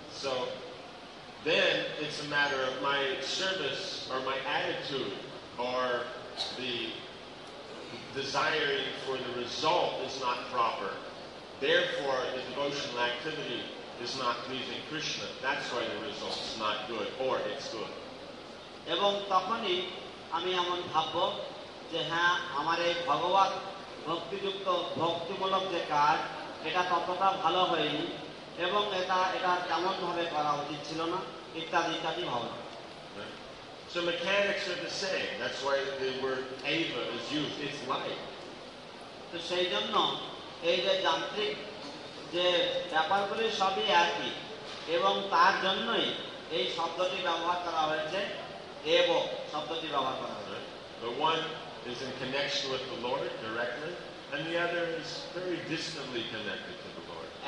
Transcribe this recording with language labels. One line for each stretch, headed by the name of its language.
English: So then it's a matter of my service or my attitude or the desiring for the result is not proper. Therefore, the devotional activity is not pleasing Krishna. That's why the result is not good or it's good.
Bangla: এবং তখনই আমি এমন ভাবব যে হ্যাঁ আমার এই ভগবত ভক্তিযুক্ত ভক্তিমূলক যে কাজ এটা ততটা ভালো হয়নি এবং এটা এটা তেমন ভাবে করা উচিত ছিল না ইত্যাদি ইত্যাদি ভাবনা
English: So mechanics are the same. That's why the word eva is used. It's life.
Bangla: তো সেই জন্য এই যে যান্ত্রিক যে ব্যাপারগুলি সবই একই এবং তার জন্যই এই শব্দটি ব্যবহার করা হয়েছে এব শব্দটি ব্যবহার করা হয়েছে
English: The one is in connection with the Lord directly and the other is very distantly connected to the Lord.